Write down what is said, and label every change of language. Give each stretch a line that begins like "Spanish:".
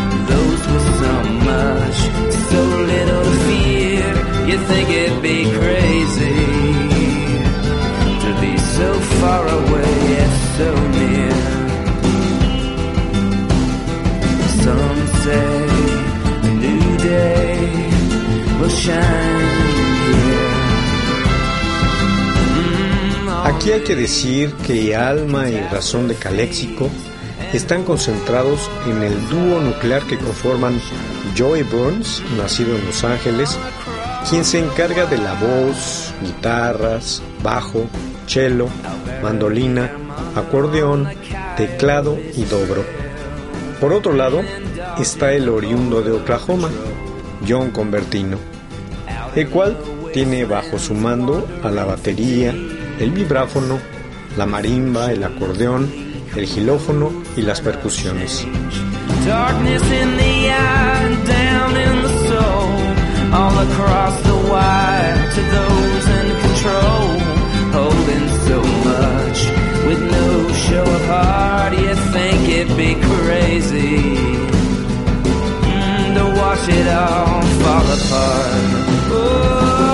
English: Those with so much, so little fear, you think it'd be crazy so far away, yet so near. Some say a new day will shine here.
Spanish: Aquí hay que decir que Alma y Razón de Caléxico están concentrados en el dúo nuclear que conforman Joey Burns, nacido en Los Ángeles, quien se encarga de la voz, guitarras, bajo, cello, mandolina, acordeón, teclado y dobro. Por otro lado, está el oriundo de Oklahoma, John Convertino, el cual tiene bajo su mando a la batería, el vibráfono, la marimba, el acordeón, el xilófono y las percusiones.
English: Darkness in the eye and down in the soul, all across the wire to those in control, holding so much with no show of heart. You think it'd be crazy to watch it all fall apart.